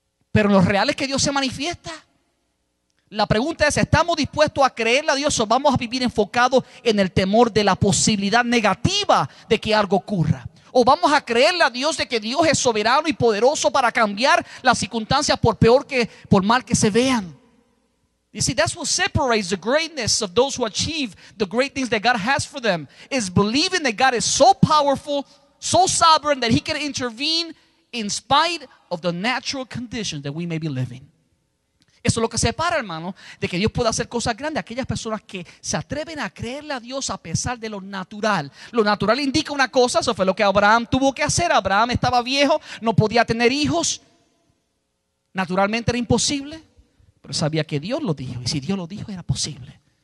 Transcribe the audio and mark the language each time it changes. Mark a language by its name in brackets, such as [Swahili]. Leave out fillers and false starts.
[Spanish] Pero lo real es que Dios se manifiesta. La pregunta es, ¿estamos dispuestos a creerle a Dios o vamos a vivir enfocados en el temor de la posibilidad negativa de que algo ocurra? ¿O vamos a creerle a Dios de que Dios es soberano y poderoso para cambiar las circunstancias por peor que, por mal que se vean? [English] You see, that's what separates the greatness of those who achieve the great things that God has for them, is believing that God is so powerful, so sovereign, that he can intervene in spite of the natural conditions that we may be living. [Spanish] Eso es lo que separa, hermano, de que Dios pueda hacer cosas grandes. Aquellas personas que se atreven a creerle a Dios a pesar de lo natural. Lo natural indica una cosa, eso fue lo que Abraham tuvo que hacer. Abraham estaba viejo, no podía tener hijos. Naturalmente era imposible, pero sabía que Dios lo dijo. Y si Dios lo dijo, era posible.